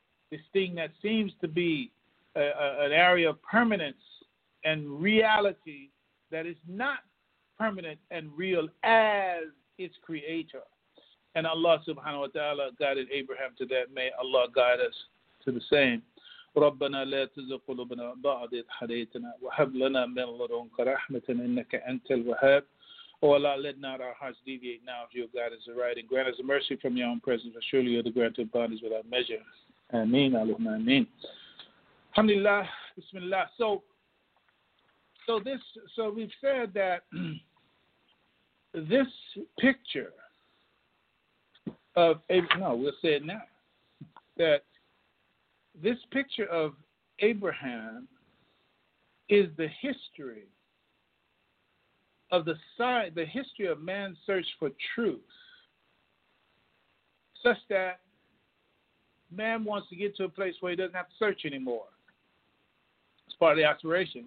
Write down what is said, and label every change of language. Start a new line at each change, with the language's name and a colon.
English: this thing that seems to be an area of permanence and reality that is not permanent and real as its creator. And Allah subhanahu wa ta'ala guided Abraham to that. May Allah guide us to the same.
Arabic: ربنا لا تزغ قلوبنا بعد إذ هديتنا وهب لنا من لدنك رحمة إنك أنت الوهاب.
English: Oh Allah, let not our hearts deviate now if your guidance is right, and grant us mercy from your own presence, for surely you are the granter of bounties without measure. Ameen, Allahumma ameen. Alhamdulillah, bismillah. So we've said that this picture of Abraham, we'll say it now, that this picture of Abraham is the history of the history of man's search for truth, such that man wants to get to a place where he doesn't have to search anymore. It's part of the aspiration.